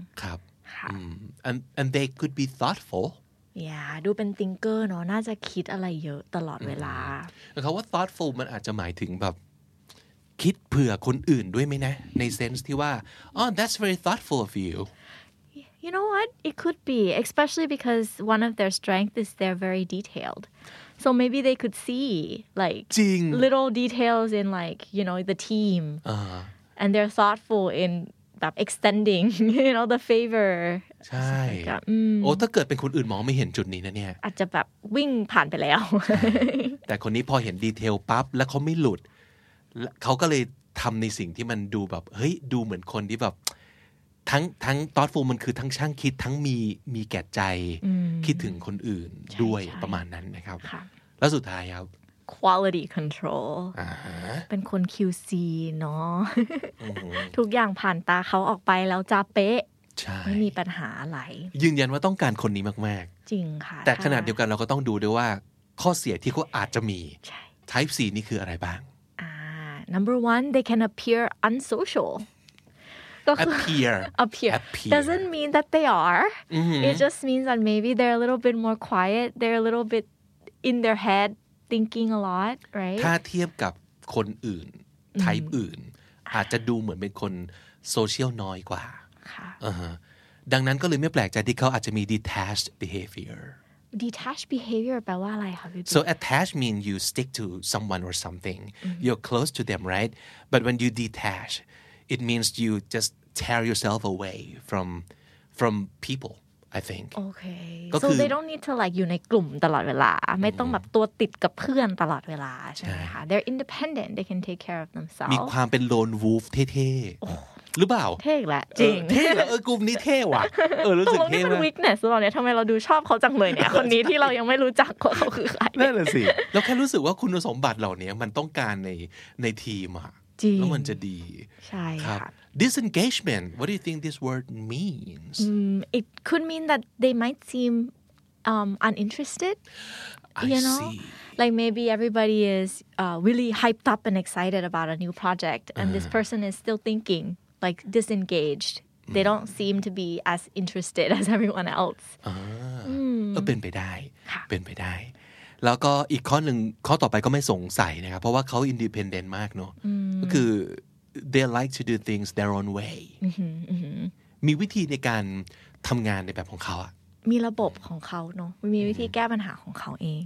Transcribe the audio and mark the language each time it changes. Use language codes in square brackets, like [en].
[th] ครับ [en] and they could be thoughtful [th] yeah ดูเป็น thinker เนาะน่าจะคิดอะไรเยอะตลอดเวลา เขาว่า thoughtful มันอาจจะหมายถึงแบบคิดเผื่อคนอื่นด้วยไหมนะในเซนส์ที่ว่า [en] oh that's very thoughtful of you You know what? It could be, especially because one of their strengths is they're very detailed. So maybe they could see like little details in like, you know, the team. And they're thoughtful in that extending, you know, the favor. [th] ใช่โอ้ถ้าเกิดเป็นคนอื่นมองไม่เห็นจุดนี้นะเนี่ย อาจจะแบบวิ่งผ่านไปแล้ว แต่คนนี้พอเห็นดีเทลปั๊บแล้วเขาไม่หลุดเขาก็เลยทำในสิ่งที่มันดูแบบเฮ้ยดูเหมือนคนที่แบบทั้ง thoughtful มันคือทั้งช่างคิดทั้งมีแก่ใจคิดถึงคนอื่นด้วยประมาณนั้นนะครับแล้วสุดท้ายครับ quality control เป็นคน QC เน า ะทุกอย่างผ่านตาเขาออกไปแล้วจะเป๊ะไม่ มีปัญหาอะไร ยืนยันว่าต้องการคนนี้มาก ๆจริงค่ะ แต่ขนาดเดียวกันเราก็ต้องดูด้วยว่าข้อเสียที่เขาอาจจะมี type 4นี่คืออะไรบ้าง [en] number 1 they can appear unsocialappear doesn't mean that they are it just means that maybe they're a little bit more quiet they're a little bit in their head thinking a lot right [th] ถ้าเทียบกับคนอื่น type อื่นอาจจะดูเหมือนเป็นคน social น้อยกว่า ค่ะ ดังนั้นก็เลยไม่แปลกใจที่เขาอาจจะมี detached behavior detached behavior แปลว่าอะไรคะพี่ [en] so attached mean you stick to someone or something you're close to them right but when you detach it means you just tear yourself away from people, I think. Okay. So they don't need to like [th] อยู่ในกลุ่มตลอดเวลาไม่ต้องแบบตัวติดกับเพื่อนตลอดเวลาใช่ไหมคะ [en] They're independent. They can take care of themselves. [th] มีความเป็น lone wolf เท่ๆหรือเปล่า เท่ละจริง เท่เออกลุ่มนี้เท่ว่ะเออรู้สึกเท่ มากตรงนี้มัน weakness ตอนนี้ทำไมเราดูชอบเขาจังเลยเนี่ยคนนี้ที่เรายังไม่รู้จักว่าเขาคือใคร นั่นแหละสิแล้วแค่รู้สึกว่าคุณสมบัติเหล่านี้มันต้องการในทีมอะ จริง แล้วมันจะดี ใช่ครับ [en] Disengagement. What do you think this word means? It could mean that they might seem uninterested. I see. Like maybe everybody is really hyped up and excited about a new project, and this person is still thinking, like disengaged. They don't seem to be as interested as everyone else. [th] เป็นไปได้ เป็นไปได้แล้วก็อีกข้อหนึ่งข้อต่อไปก็ไม่สงสัยนะครับเพราะว่าเขา independent มากเนาะก็คือ [en] They like to do things their own way. [th] มีวิธีในการทำงานในแบบของเขาอ่ะ มีระบบของเขาเนาะมีวิธีแก้ปัญหาของเขาเอง